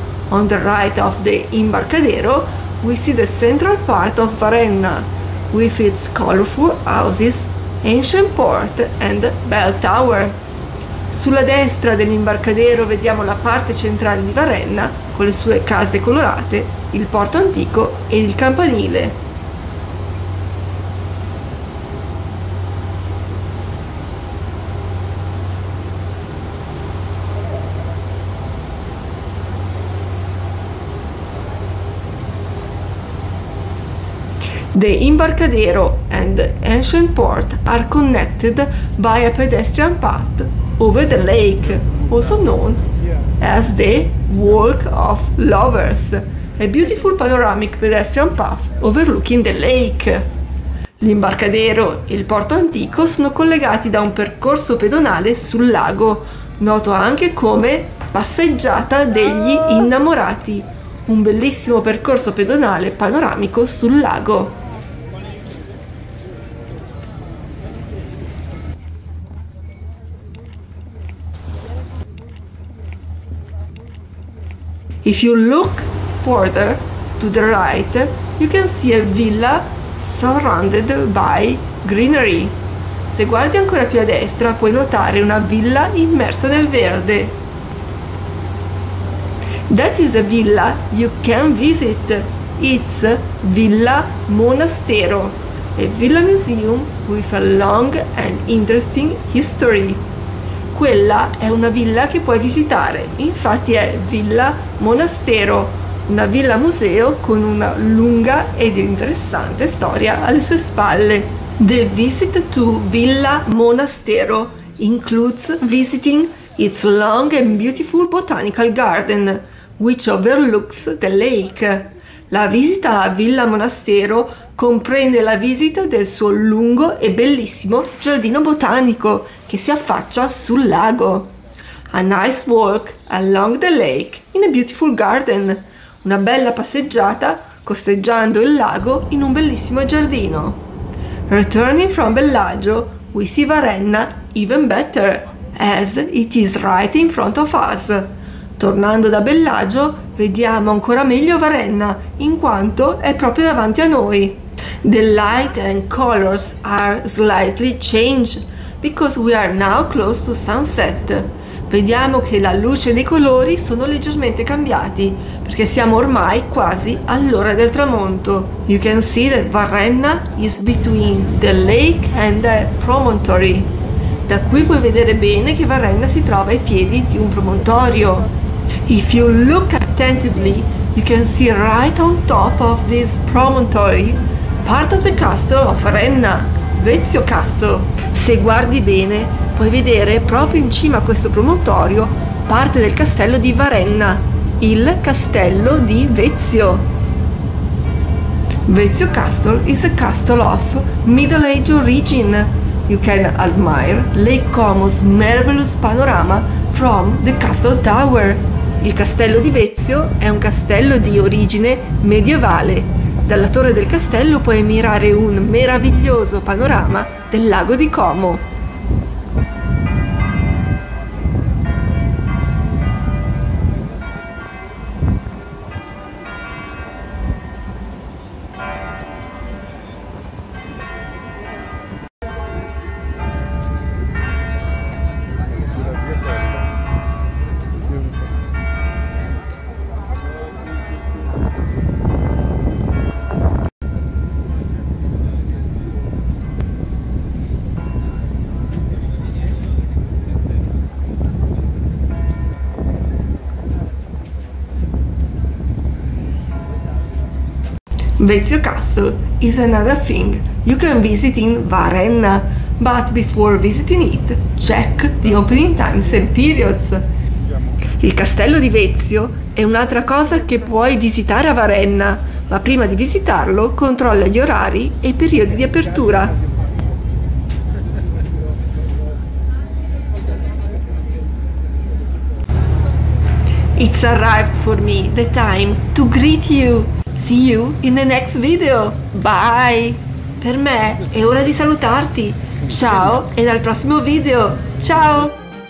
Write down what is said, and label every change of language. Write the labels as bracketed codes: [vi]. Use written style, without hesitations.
[en] On the right of the Imbarcadero, we see the central part of Varenna, with its colorful houses, ancient port and bell tower. [it] Sulla destra dell'Imbarcadero vediamo la parte centrale di Varenna, con le sue case colorate, il porto antico e il campanile. [en] The Imbarcadero and the ancient port are connected by a pedestrian path over the lake, also known as the Walk of Lovers, a beautiful panoramic pedestrian path overlooking the lake. [it] L'Imbarcadero e il porto antico sono collegati da un percorso pedonale sul lago, noto anche come passeggiata degli innamorati, un bellissimo percorso pedonale panoramico sul lago. [en] If you look further to the right, you can see a villa surrounded by greenery. [it] Se guardi ancora più a destra, puoi notare una villa immersa nel verde. [en] That is a villa you can visit. It's Villa Monastero, a villa museum with a long and interesting history. [it] Quella è una villa che puoi visitare, infatti è Villa Monastero, una villa museo con una lunga ed interessante storia alle sue spalle. [en] The visit to Villa Monastero includes visiting its long and beautiful botanical garden, which overlooks the lake. [it] La visita a Villa Monastero comprende la visita del suo lungo e bellissimo giardino botanico che si affaccia sul lago. [en] A nice walk along the lake in a beautiful garden, [it] una bella passeggiata costeggiando il lago in un bellissimo giardino. [en] Returning from Bellagio, we see Varenna even better, as it is right in front of us. [it] Tornando da Bellagio, vediamo ancora meglio Varenna, in quanto è proprio davanti a noi. [en] The light and colors are slightly changed, because we are now close to sunset. [it] Vediamo che la luce dei colori sono leggermente cambiati, perché siamo ormai quasi all'ora del tramonto. [en] You can see that Varenna is between the lake and the promontory. [it] Da qui puoi vedere bene che Varenna si trova ai piedi di un promontorio. [en] If you look attentively, you can see right on top of this promontory, part of the castle of Varenna, Vezio Castle. [it] Se guardi bene, puoi vedere proprio in cima a questo promontorio parte del castello di Varenna, il castello di Vezio. [en] Vezio Castle is a castle of Middle Age origin. You can admire Lake Como's marvelous panorama from the castle tower. [it] Il castello di Vezio è un castello di origine medievale. Dalla torre del castello puoi ammirare un meraviglioso panorama del lago di Como. [en] Vezio Castle is another thing you can visit in Varenna, but before visiting it, check the opening times and periods. [it] Il castello di Vezio è un'altra cosa che puoi visitare a Varenna, ma prima di visitarlo controlla gli orari e i periodi di apertura. [en] It's arrived for me the time to greet you. See you in the next video. Bye! [it] Per me è ora di salutarti. Ciao e al prossimo video. Ciao!